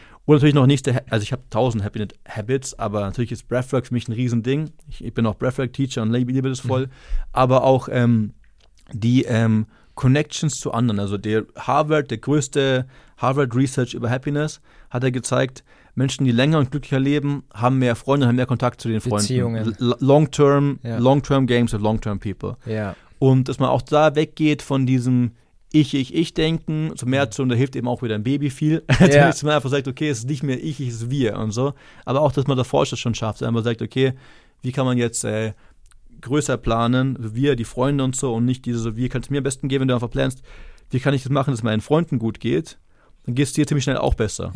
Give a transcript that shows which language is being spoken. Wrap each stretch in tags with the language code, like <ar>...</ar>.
<de>Und natürlich noch nächste, also ich habe 1000 Habits, aber natürlich ist Breathwork für mich ein Riesending. Ich bin auch Breathwork-Teacher und liebe das voll. Mhm. Aber auch die Connections zu anderen. Also der größte Harvard-Research über Happiness hat er gezeigt, Menschen, die länger und glücklicher leben, haben mehr Freunde, haben mehr Kontakt zu den Freunden. Beziehungen.</de> <en>Long-term games with long-term people.</en> <de>Ja. Und dass man auch da weggeht von diesem Ich-Denken, so mehr zu, und da hilft eben auch wieder ein Baby viel, dass man einfach sagt, okay, es ist nicht mehr ich, es ist wir und so. Aber auch, dass man davor das schon schafft, einfach sagt, okay, wie kann man jetzt größer planen, wir, die Freunde und so, und nicht diese, so, wie kann es mir am besten gehen, wenn du einfach planst, wie kann ich das machen, dass es meinen Freunden gut geht, dann geht es dir ziemlich schnell auch besser.</de>